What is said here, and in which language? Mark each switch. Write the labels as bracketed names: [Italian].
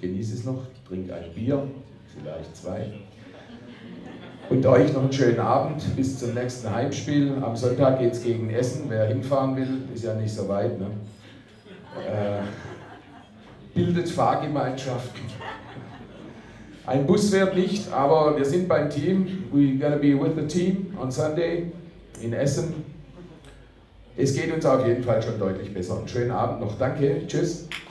[German] Genieß es noch, trink ein Bier, vielleicht zwei. Und euch noch einen schönen Abend, bis zum nächsten Heimspiel. Am Sonntag geht es gegen Essen, wer hinfahren will, ist ja nicht so weit. Ne? Bildet Fahrgemeinschaften. Ein Bus fährt nicht, aber wir sind beim Team. [English] We're gonna be with the team on Sunday in Essen. [German] Es geht uns auf jeden Fall schon deutlich besser. Einen schönen Abend noch. Danke. Tschüss.